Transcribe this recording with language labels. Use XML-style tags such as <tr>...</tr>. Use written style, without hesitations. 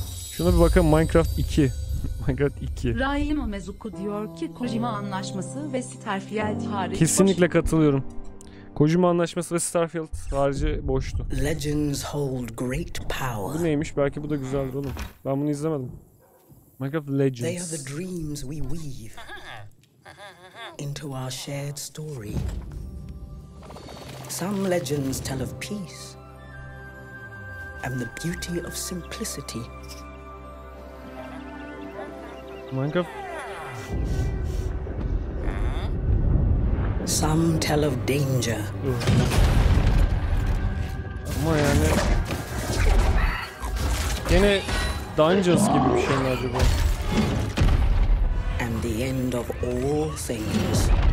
<tr>Şuna bir bakalım, Minecraft 2. Minecraft 2. Ryan Omezuku diyor ki Kojima anlaşması ve Starfield harici. Kesinlikle katılıyorum. Kojima anlaşması ve Starfield harici boştu.</tr> <en>Legends hold great power.</en> <tr>Bu neymiş? Belki bu da güzeldir oğlum. Ben bunu izlemedim. Minecraft Legends.</tr> <en>They are the dreams we weave into our shared story. Some legends tell of peace and the beauty of simplicity. Minecraft. Some tell of danger.</en> <tr>Ama yani gene Dungeons gibi bir şey mi acaba?</tr> <en>And the end of all things.</en>